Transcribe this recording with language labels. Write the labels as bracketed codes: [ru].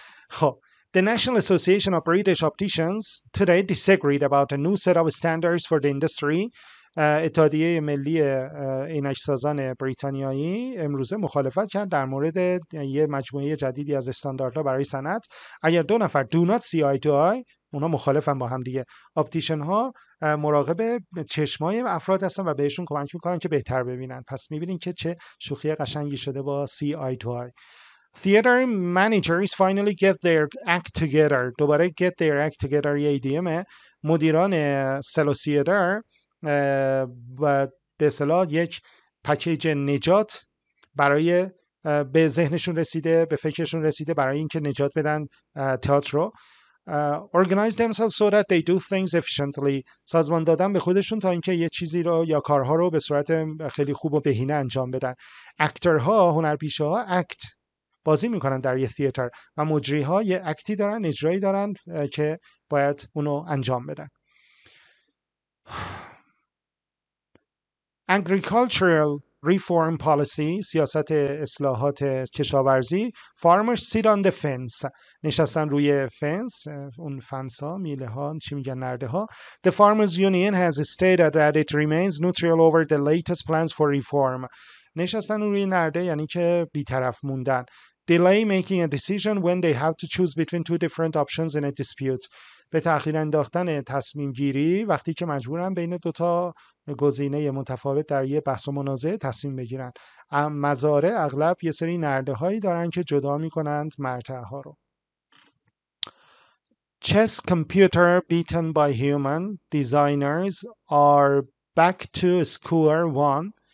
[en] خب The National Association of British Opticians today disagreed about a new set of standards for the industry. [fa] اتحادیه ملی عینک‌سازان بریتانیایی امروز مخالفت کرد در مورد یه مجموعه جدیدی از استانداردها برای صنعت. اگر دو نفر [en] do not see eye to eye، [fa] اونا مخالفن با هم دیگه. آپتیشن ها مراقب چشمای افراد هستن و بهشون کمک میکنن که بهتر ببینن. پس میبینین که چه شوخی قشنگی شده با سی آی تو آی. [en] Theater managers finally get their act together. [fa] دوباره get their act together یه ایدیمه. مدیران سلو سیدر به اصطلاح یک پکیج نجات برای به ذهنشون رسیده، به فکرشون رسیده برای اینکه نجات بدن تئاتر رو. [en] Organize themselves so that they do things efficiently. [fa] سازمان دادن به خودشون تا اینکه یه چیزی رو یا کارها رو به صورت خیلی خوب و بهینه انجام بدن. اکترها، هنرپیشه ها اکت بازی میکنن در یه تیتر و مجری ها یه اکتی دارن، اجرایی دارن که باید اونو انجام بدن. [en] Agricultural reform policy، [fa] سیاست اصلاحات کشاورزی. [en] Farmers sit on the fence، [fa] نشستن روی فنس، اون فنس ها، میله ها، چی میگن، نرده ها. [en] The farmers union has stated that it remains neutral over the latest plans for reform. [fa] نشستن روی نرده یعنی که بیطرف موندن. [en] Delay making a decision when they have to choose between two different options in a dispute. [fa] به تأخیر انداختن تصمیم گیری وقتی که مجبورن بین دوتا گزینه متفاوت در یه بحث و منازعه تصمیم بگیرن. مزارع اغلب یه سری نرده هایی دارن که جدا می کنند مرتعه ها رو. [en] Chess computer beaten by human designers are back to square one.